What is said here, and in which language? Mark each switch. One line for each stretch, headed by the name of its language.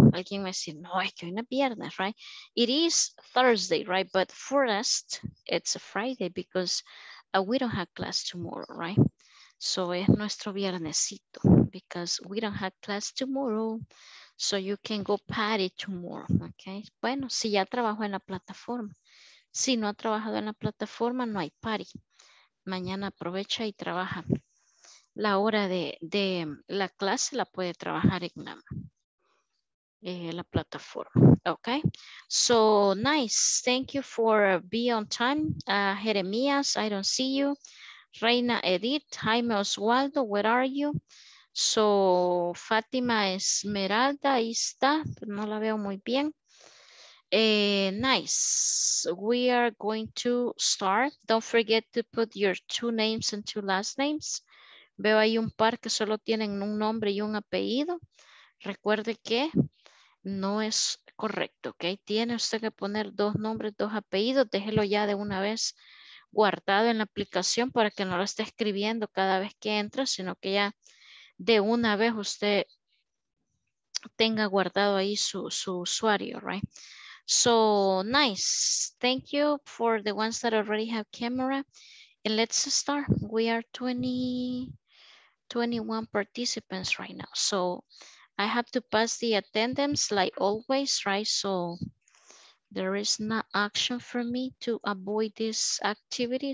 Spanish: Alguien me dice, no, es que hoy no es viernes, right?
English: It is Thursday, right? But for us, it's a Friday because we don't have class tomorrow, right? So
Spanish: es nuestro viernesito
English: because we don't have class tomorrow. So you can go party tomorrow, okay?
Spanish: Bueno, si ya trabajo en la plataforma. Si no ha trabajado en la plataforma, no hay party. Mañana aprovecha y trabaja. La hora de la clase la puede trabajar en la plataforma.
English: Okay. So nice. Thank you for being on time. Jeremías, I don't see you. Reina Edith, Jaime Oswaldo, where are you?
Spanish: So Fátima Esmeralda, ahí está. No la veo muy bien. Nice.
English: We are going to start. Don't forget to put your two names and two last names.
Spanish: Veo ahí un par que solo tienen un nombre y un apellido. Recuerde que no es correcto, ¿ok? Tiene usted que poner dos nombres, dos apellidos. Déjelo ya de una vez guardado en la aplicación para que no lo esté escribiendo cada vez que entra, sino que ya de una vez usted tenga guardado ahí su usuario, ¿right?
English: So, nice. Thank you for the ones that already have camera. And let's start. We are 21 participants right now. So I have to pass the attendance like always, right? So there is no action for me to avoid this activity.